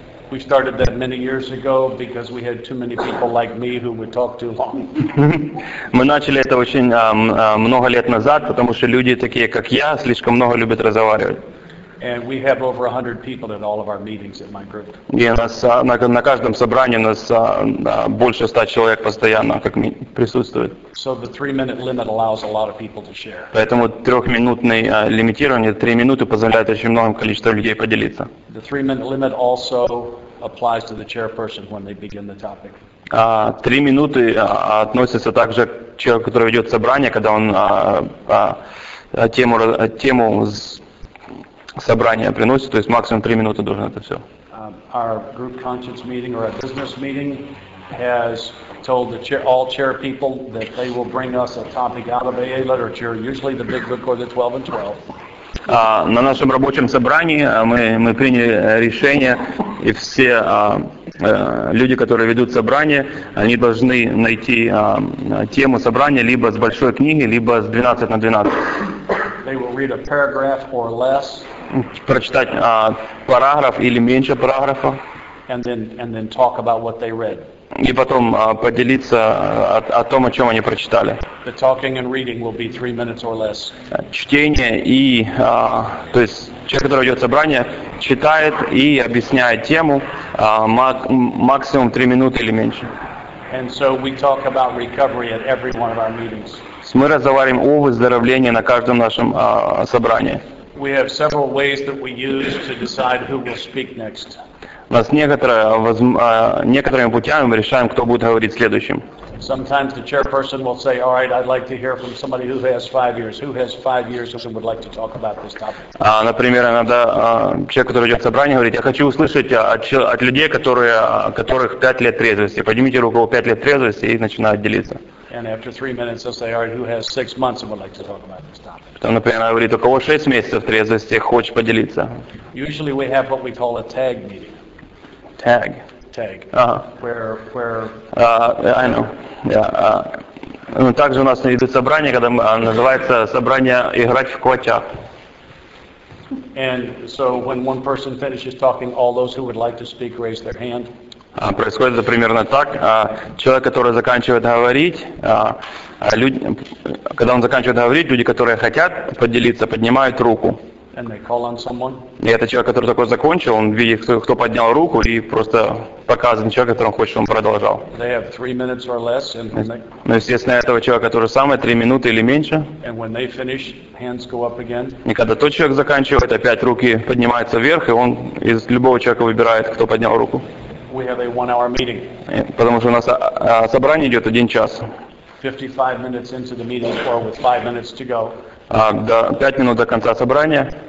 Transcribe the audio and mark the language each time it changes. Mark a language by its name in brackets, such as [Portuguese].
[English] We started that many years ago because we had too many people like me who would talk too long. [Russian] Мы начали это очень много лет назад, потому что люди такие, как я, слишком много любят разговаривать. [English] And we have over 100 people at all of our meetings at my group. [Russian] И на каждом собрании у нас больше 100 человек постоянно как присутствует. [English] So the 3-minute limit allows a lot of people to share. [Russian] Поэтому 3-минутный лимитирование 3 минуты позволяет очень многим количеством людей поделиться. [English] The 3-minute limit also applies to the chairperson when they begin the topic. [Russian] 3 минуты относятся также к человеку, который ведет собрание, когда он тему собрание приносит, то есть максимум 3 минуты должен это все. [English] Our group conscience meeting or our business meeting has told the all chair people that they will bring us a topic out of AA literature, usually the big book or the 12 and 12. [Russian] На нашем рабочем собрании мы приняли решение, и все люди, которые ведут собрание, они должны найти тему собрания либо с большой книги, либо с 12 на 12. [English] They will read a paragraph or less. [Russian] Прочитать параграф или меньше параграфа. [English] And then talk about what they read. [Russian] И потом поделиться о том, о чем они прочитали. [English] The talking and reading will be 3 minutes or less. [Russian] Чтение и... То есть человек, который ведет собрание, читает и объясняет тему максимум 3 минуты или меньше. [English] And so we talk about recovery at every one of our meetings. [Russian] Мы разговариваем о выздоровлении на каждом нашем собрании. [English] We have several ways that we use to decide who will speak next. [Russian] У нас некоторыми путями мы решаем, кто будет говорить следующим. [English] Sometimes the chairperson will say, "All right, I'd like to hear from somebody who has 5 years. Who has 5 years who would like to talk about this topic?" [Russian] Например, иногда человек, который идет в собрание, говорит: "Я хочу услышать от людей, которых 5 лет трезвости. Поднимите руку, у 5 лет трезвости, и начинают делиться." [English] And after 3 minutes, they'll say, "All right, who has 6 months and would like to talk about this topic?" [Russian] Потом, например, она говорит: "У кого 6 месяцев трезвости, хочешь поделиться?" [English] Usually, we have what we call a tag meeting. Tag. Tag. Uh-huh. Where I know. Yeah. [Russian] Также у нас идут собрания, когда называется собрание играть в котя. [English] And so when one person finishes talking, all those who would like to speak raise their hand. [Russian] Происходит это примерно так. Человек, который заканчивает говорить, когда он заканчивает говорить, люди, которые хотят поделиться, поднимают руку. [English] And they call on someone. [Russian] И это человек, который такой закончил, он видит, кто поднял руку, и просто показан человек, который хочет, чтобы он продолжал. [English] They have 3 minutes or less, and when they... [Russian] Ну, естественно, этого человека, который самый, 3 минуты или меньше. [English] And when they finish, hands go up again. [Russian] И когда тот человек заканчивает, опять руки поднимаются вверх, и он из любого человека выбирает, кто поднял руку. [English] We have a 1 hour meeting. [Russian] Потому что у нас собрание идет 1 час. [English] 55 minutes into the meeting, or with 5 minutes to go. [Russian] 5 минут до конца собрания.